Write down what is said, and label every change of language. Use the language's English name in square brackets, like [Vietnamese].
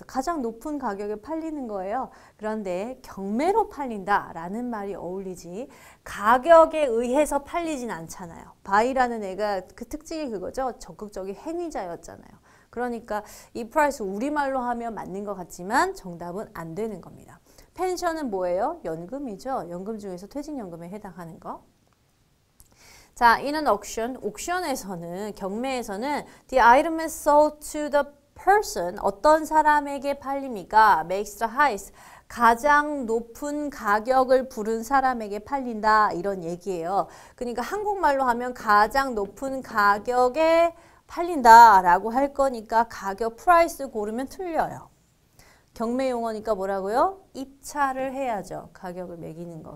[Korean] 가장 높은 가격에 팔리는 거예요. 그런데 경매로 팔린다라는 말이 어울리지 가격에 의해서 팔리진 않잖아요. 바이라는 애가 그 특징이 그거죠. 적극적인 행위자였잖아요. 그러니까 이 price 우리말로 하면 맞는 것 같지만 정답은 안 되는 겁니다. 펜션은 뭐예요? 연금이죠. 연금 중에서 퇴직연금에 해당하는 거. [English] 자, in an auction, 옥션에서는, 경매에서는 the item is sold to the person, 어떤 사람에게 팔립니까? [Korean] makes the highest, 가장 높은 가격을 부른 사람에게 팔린다, 이런 얘기예요. 그러니까 한국말로 하면 가장 높은 가격에 팔린다라고 할 거니까 가격 price 고르면 틀려요. 경매 용어니까 뭐라고요? 입찰을 해야죠. 가격을 매기는 거.